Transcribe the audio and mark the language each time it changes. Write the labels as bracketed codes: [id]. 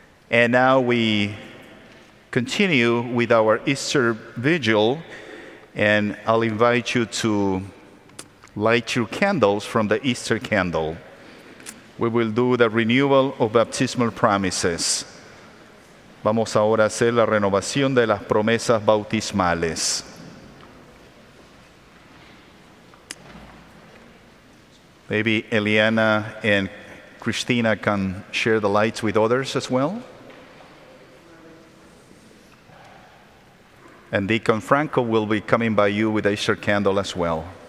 [en] And now we continue with our Easter vigil, and I'll invite you to light your candles from the Easter candle. We will do the renewal of baptismal promises. [es] Vamos ahora a hacer la renovación de las promesas bautismales. [en] Maybe Eliana and Christina can share the lights with others as well. And Deacon Franco will be coming by you with a Easter candle as well.